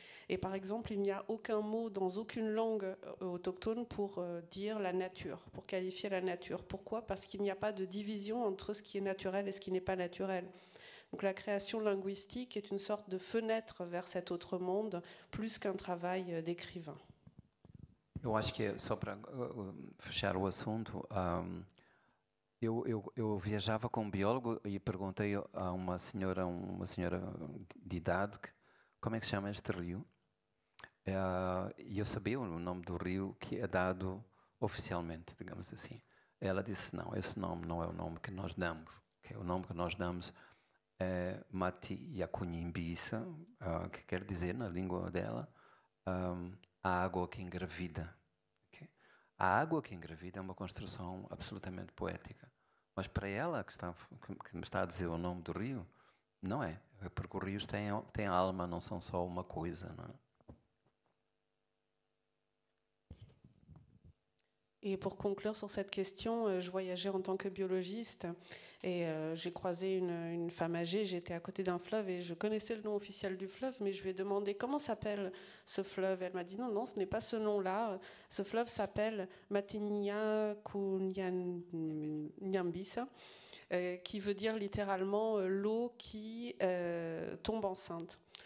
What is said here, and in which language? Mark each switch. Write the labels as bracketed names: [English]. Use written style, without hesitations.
[French] Et par exemple, il n'y a aucun mot dans aucune langue autochtone pour dire la nature, pour qualifier la nature. Pourquoi ? Parce qu'il n'y a pas de division entre ce qui est naturel et ce qui n'est pas naturel. Donc la création linguistique est une sorte de fenêtre vers cet autre monde, plus qu'un travail d'écrivain. Je pense que, juste pour [Portuguese] fechar le assunto, eu viajava com biólogo e perguntei a uma senhora d'idade. Como é que se chama este rio? E eu sabia o nome do rio que é dado oficialmente, digamos assim. Ela disse, não, esse nome não é o nome que nós damos. Que é o nome que nós damos é Mati Yakunimbisa, que quer dizer, na língua dela, a água que engravida. A água que engravida é uma construção absolutamente poética. Mas para ela, que me está a dizer o nome do rio, não é. Porque os rios têm alma, não são só uma coisa, não é? [French] Et pour conclure sur cette question, je voyageais en tant que biologiste et j'ai croisé une femme âgée, j'étais à côté d'un fleuve et je connaissais le nom officiel du fleuve, mais je lui ai demandé comment s'appelle ce fleuve. Elle m'a dit non, ce n'est pas ce nom-là, ce fleuve s'appelle Matinha-Kunyambisa, qui veut dire littéralement l'eau qui tombe enceinte.